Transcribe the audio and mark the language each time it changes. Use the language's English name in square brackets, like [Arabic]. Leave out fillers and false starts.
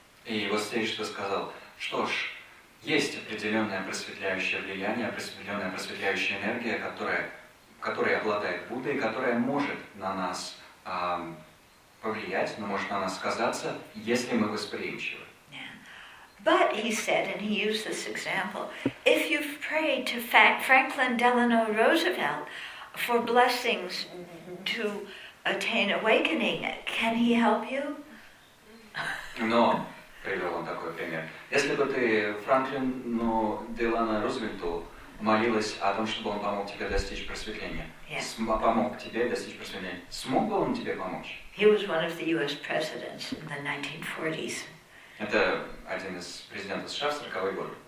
[Russian] И вот здесь что сказал, что ж, есть определенное просветляющее влияние, определенная просветляющая энергия, которая обладает Буддой, которая может на нас повлиять, но может на нас сказаться, если мы восприимчивы. [English] But he said, and he used this example, if you've prayed to Franklin Delano Roosevelt for blessings to attain awakening, can he help you? [Russian] Но, привел он такой пример, если бы ты Франклину Делано Рузвельту молилась о том, чтобы он помог тебе достичь просветления. [English] Yes. [Russian] Помог тебе достичь просветления. Смог бы он тебе помочь? [English] He was one of the US presidents in the 1940s. [Russian] Это один из президентов США в 40-е годы.